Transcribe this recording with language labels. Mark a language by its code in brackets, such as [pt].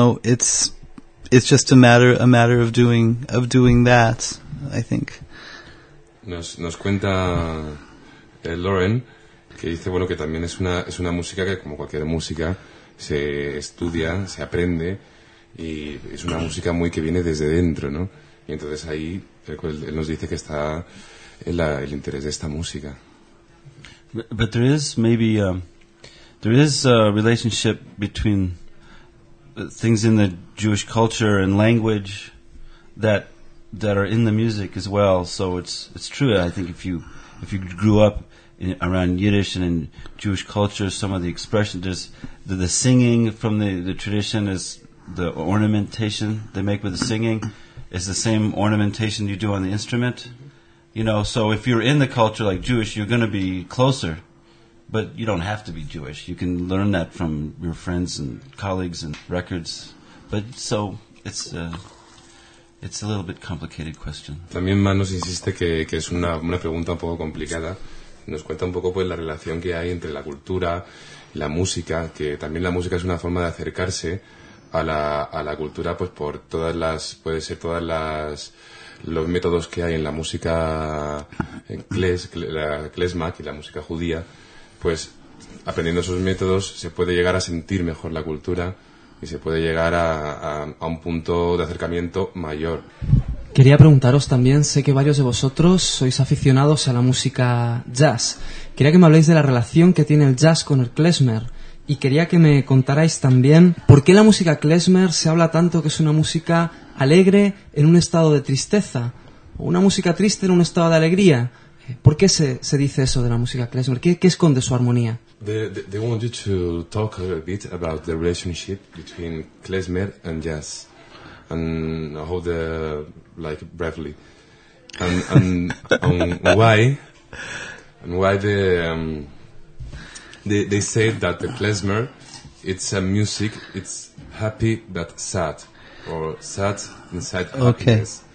[en] It's just a matter of doing that, I think. [es] Nos cuenta Lauren que dice, bueno, que también es una música que, como cualquier música, se estudia, se aprende, y es una música muy que viene desde dentro, ¿no? Y entonces ahí él nos dice que está el interés de esta música. [en] But there is maybe there is a relationship between things in the Jewish culture and language that are in the music as well. So it's true. I think if you grew up around Yiddish and in Jewish culture, some of the expression, the singing from the tradition, is the ornamentation they make with the singing is the same ornamentation you do on the instrument. You know, so if you're in the culture like Jewish, you're going to be closer. But you don't have to be Jewish. You can learn that from your friends and colleagues and records. But so it's a little bit complicated question. [es] También Manos insiste que es una pregunta un poco complicada. Nos cuenta un poco pues la relación que hay entre la cultura, la música, que también la música es una forma de acercarse a la cultura, pues por todas las, puede ser todas las, los métodos que hay en la música klezmer y la música judía. Pues aprendiendo esos métodos se puede llegar a sentir mejor la cultura y se puede llegar a un punto de acercamiento mayor. Quería preguntaros también, sé que varios de vosotros sois aficionados a la música jazz. Quería que me habléis de la relación que tiene el jazz con el klezmer, y quería que me contarais también por qué la música klezmer se habla tanto que es una música alegre en un estado de tristeza, o una música triste en un estado de alegría. ¿Por qué se dice eso de la música klezmer? ¿Qué esconde su armonía? [en] They want you to talk a bit about the relationship between klezmer and jazz, and how the, like, briefly, and why they say that the klezmer, it's a music, it's happy but sad, or sad inside happiness.